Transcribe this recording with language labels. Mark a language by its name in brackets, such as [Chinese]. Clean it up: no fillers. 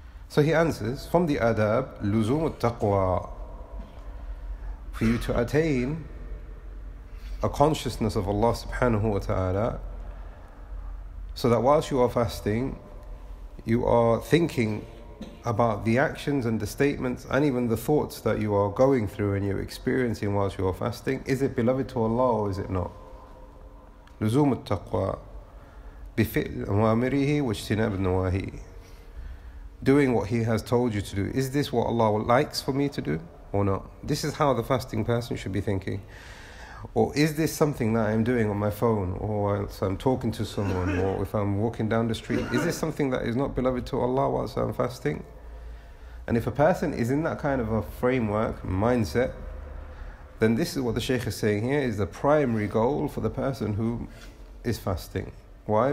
[English] So he answers, from the adab, luzum al-taqwa, for you to attain a consciousness of Allah subhanahu wa ta'ala, so that whilst you are fasting, you are thinking about the actions and the statements and even the thoughts that you are going through and you're experiencing whilst you are fasting. Is it beloved to Allah or is it not? [Arabic] لزوم التقوى بفعل أوامره واجتناب النواهي. [English] Doing what he has told you to do. Is this what Allah likes for me to do or not? This is how the fasting person should be thinking. Or is this something that I'm doing on my phone, or whilst I'm talking to someone, or if I'm walking down the street? Is this something that is not beloved to Allah whilst I'm fasting? And if a person is in that kind of a framework, mindset, then this is what the Shaykh is saying here, is the primary goal for the person who is fasting. Why?